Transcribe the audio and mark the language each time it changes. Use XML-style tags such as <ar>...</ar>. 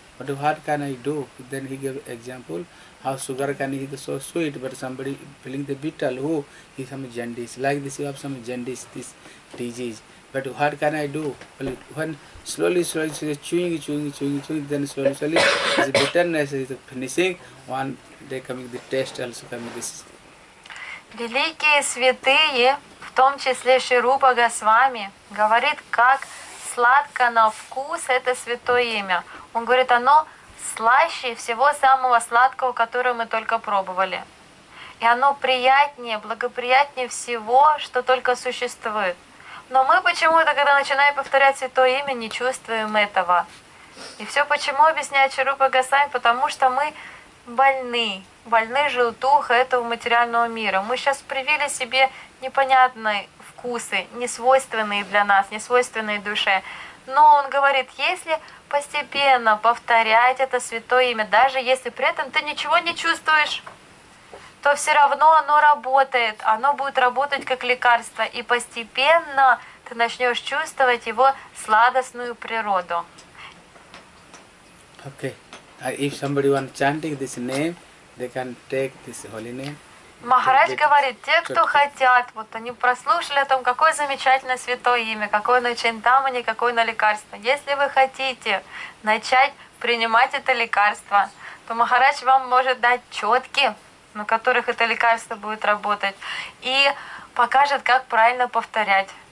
<en>But what can I do? Then he gave example, how sugar can be so sweet, but somebody feeling the bitter, who is some jaundice. Like this, you have some jaundice, this disease. But what can I do? Well, when slowly, chewing, then slowly, the bitterness is finishing, one day coming, the taste also coming.</en> <ru>Великие святые, в том числе Шри Рупа Госвами, говорит, как сладко на вкус это святое имя. Он говорит, оно слаще всего самого сладкого, которое мы только пробовали. И оно приятнее, благоприятнее всего, что только существует. Но мы почему-то, когда начинаем повторять святое имя, не чувствуем этого. И все почему, объясняет Шри Рупа Госвами, потому что мы больны, больны желтуха этого материального мира. Мы сейчас привили себе непонятные вкусы, несвойственные для нас, несвойственные душе. Но он говорит, если постепенно повторять это святое имя, даже если при этом ты ничего не чувствуешь, то все равно оно работает, оно будет работать как лекарство, и постепенно ты начнешь чувствовать его сладостную природу.</ru> <en>Okay, if somebody wants chanting this name, they can take this holy name.</en> <ru>Махарадж говорит, те, кто хотят, вот они прослушали о том, какое замечательное святое имя, какое на чинтамани, какое на лекарство. Если вы хотите начать принимать это лекарство, то Махарадж вам может дать четки, на которых это лекарство будет работать, и покажет, как правильно повторять.</ru>